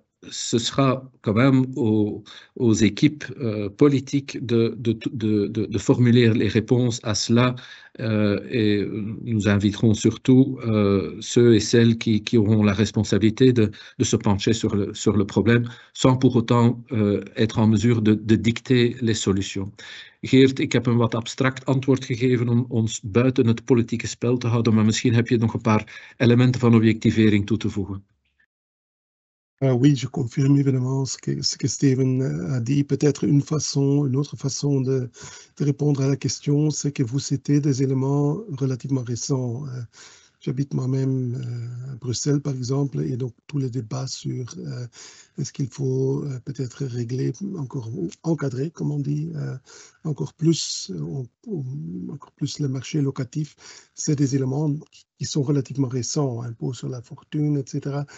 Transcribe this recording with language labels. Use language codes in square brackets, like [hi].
[fr] Ce sera quand même aux équipes politiques de formuler les réponses à cela et nous inviterons surtout ceux et celles qui auront la responsabilité de se pencher sur le problème sans pour autant être en mesure de dicter les solutions. [nl] Geert, ik heb een wat abstract antwoord gegeven om ons buiten het politieke spel te houden, maar misschien heb je nog een paar elementen van objectivering toe te voegen. [fr] Oui, je confirme évidemment ce que Steven a dit. Peut-être une autre façon de répondre à la question, c'est que vous citez des éléments relativement récents. J'habite moi-même à Bruxelles, par exemple, et donc tous les débats sur est-ce qu'il faut peut-être régler, encore encadrer, comme on dit, encore plus le marché locatif, c'est des éléments qui sont relativement récents, impôt sur la fortune, etc.